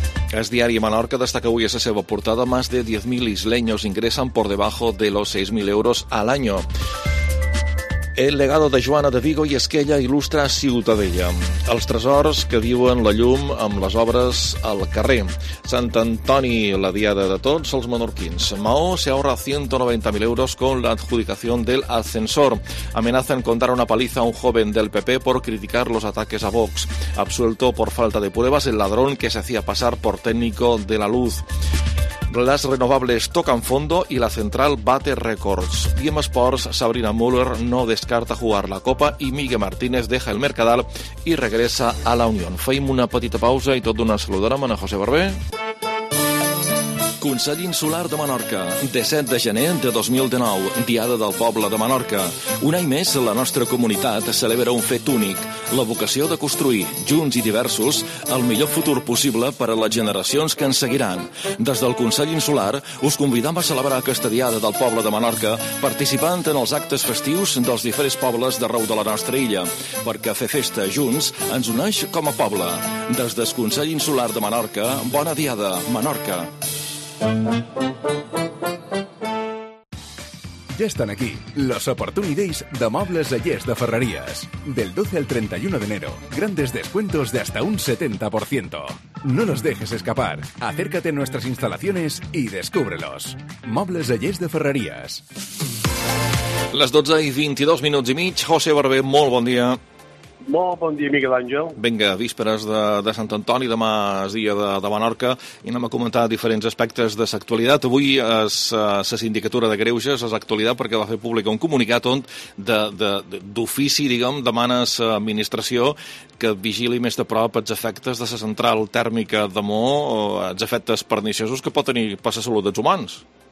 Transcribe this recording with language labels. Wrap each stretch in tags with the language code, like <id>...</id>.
<ca>El diari Menorca destaca avui a la seva portada</ca> <es>más de 10.000 isleños ingresan por debajo de los 6.000 euros al año. El legado de Joana de Vigo i Esquella il·lustra Ciutadella.</es> <ca>Els tresors que viuen la llum amb les obres al carrer. Sant Antoni, la diada de tots els menorquins.</ca> <es>Maó se ahorra 190.000 euros con la adjudicación del ascensor. Amenaza en contar una paliza a un joven del PP por criticar los ataques a Vox. Absuelto por falta de pruebas el ladrón que se hacía pasar por técnico de la luz. Las renovables tocan fondo y la central bate récords. IEM Sports, Sabrina Müller no descarta jugar la Copa y Miguel Martínez deja el Mercadal y regresa a la Unión.</es> <ca>Feim una petita pausa i tot d'una saludada a José Barber. Consell Insular de Menorca, 17 de gener de 2019, Diada del Poble de Menorca. Un any més, la nostra comunitat celebra un fet únic, la vocació de construir, junts i diversos, el millor futur possible per a les generacions que ens seguiran. Des del Consell Insular, us convidam a celebrar aquesta Diada del Poble de Menorca, participant en els actes festius dels diferents pobles d'arreu de la nostra illa, perquè fer festa junts ens uneix com a poble. Des del Consell Insular de Menorca, bona Diada, Menorca.</ca> <es>Ya están aquí los Opportunities de Muebles Ayers de Ferrerías. Del 12 al 31 de enero, grandes descuentos de hasta un 70%. No los dejes escapar, acércate a nuestras instalaciones y descúbrelos. Muebles Ayers de Ferrerías. Las 12:22 PM, José Barber, muy buen día.</es> <ca>Molt bon dia, Miguel Àngel. Vinga, vísperes de Sant Antoni, demà és dia de Menorca, i anem a comentar diferents aspectes de l'actualitat. Avui és la sindicatura de Greuges, és actualitat perquè va fer públic un comunicat on d'ofici, diguem, demana a l'administració que vigili més de prop els efectes de la central tèrmica de Mo, els efectes perniciosos que pot tenir per la salut dels humans.</ca>